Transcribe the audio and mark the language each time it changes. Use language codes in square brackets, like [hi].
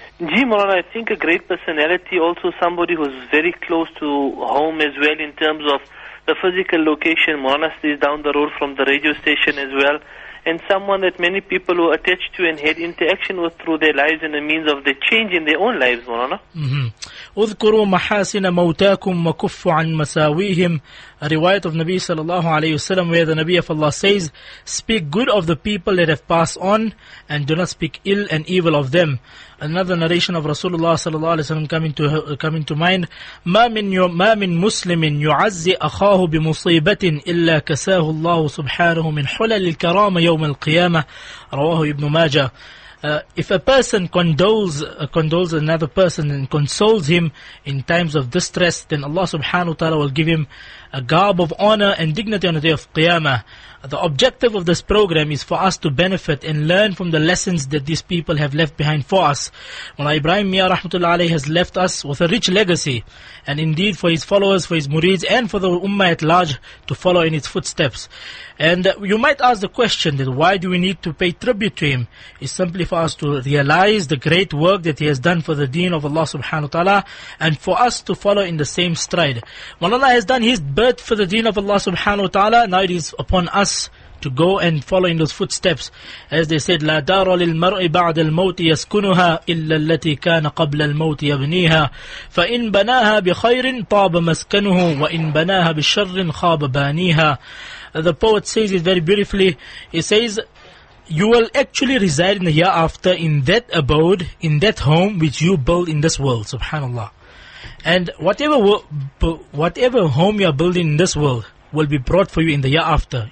[en] Ji, Mawlana, I think a great personality, also somebody who's very close to home as well in terms of the physical location. Mawlana stays down the road from the radio station as well, and someone that many people were attached to and had interaction with through their lives and the means of the change in their own lives, Mawlana. [ar] اذكروا محاسن موتاكم وكفوا عن مساويهم. [en] A riwayat of Nabi sallallahu alayhi wa sallam, where the Nabi of Allah says, speak good of the people that have passed on and do not speak ill and evil of them. Another narration of Rasulullah sallallahu alayhi wa sallam coming to mind, [ar] ما من مسلم يعزي أخاه بمصيبة إلا كساه الله سبحانه من حلل الكرامة يوم القيامة. رواه ابن ماجه. [en] If a person condoles another person and consoles him in times of distress, then Allah subhanahu wa ta'ala will give him a garb of honor and dignity on the day of Qiyamah. The objective of this program is for us to benefit and learn from the lessons that these people have left behind for us. Mawlana Ibrahim Mia Rahmatullah Alayh has left us with a rich legacy, and indeed for his followers, for his murids, and for the ummah at large to follow in his footsteps. And you might ask the question that why do we need to pay tribute to him? It's simply for us to realize the great work that he has done for the deen of Allah subhanahu wa ta'ala, and for us to follow in the same stride. Mawlana has done his birth for the deen of Allah subhanahu wa ta'ala. Now it is upon us to go and follow in those footsteps. As they said, [ar] لا دار للمرء بعد الموت يسكنها إلا التي كان قبل الموت يبنيها فإن بناها بخير طاب مسكنه وإن بناها بالشر خاب بانيها. [en] The poet says it very beautifully. He says, you will actually reside in the hereafter in that abode, in that home which you build in this world, subhanallah. And whatever home you are building in this world will be brought for you in the hereafter.